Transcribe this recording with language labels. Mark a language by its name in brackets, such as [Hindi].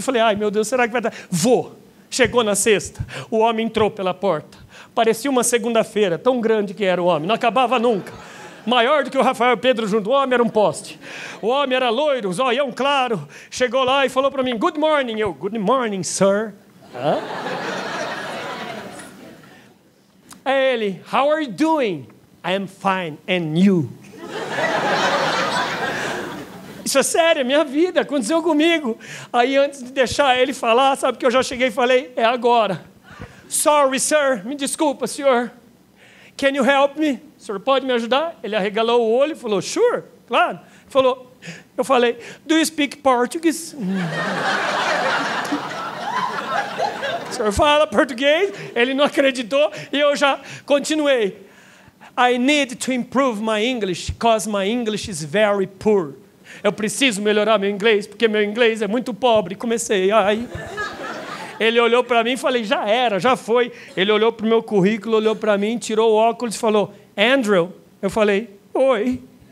[Portuguese] E falei, ai meu Deus, será que vai dar? Vou. Chegou na sexta. O homem entrou pela porta. Parecia uma segunda-feira, tão grande que era o homem. Não acabava nunca. Maior do que o Rafael Pedro junto. O homem era um poste. O homem era loiro, zoião claro. Chegou lá e falou para mim, [English] good morning. [Portuguese] Eu, [English] good morning, sir. Hã? [Portuguese] É ele, [English] how are you doing? I am fine, and you? [Portuguese] Isso é sério, é minha vida, aconteceu comigo. Aí antes de deixar ele falar, sabe que eu já cheguei e falei, é agora. [English] Sorry, sir, [Portuguese] me desculpa, senhor. [English] Can you help me? [Portuguese] O senhor pode me ajudar? Ele arregalou o olho e falou, [English] sure, [Portuguese] claro. Falou, eu falei, [English] do you speak Portuguese? [Portuguese] O senhor fala português? Ele não acreditou e eu já continuei. [English] I need to improve my English because my English is very poor. [Portuguese] Eu preciso melhorar meu inglês porque meu inglês é muito pobre. Comecei, ai. Ele olhou para mim e falei, já era, já foi. Ele olhou para o meu currículo, olhou para mim, tirou o óculos e falou, Andrew. Eu falei, oi.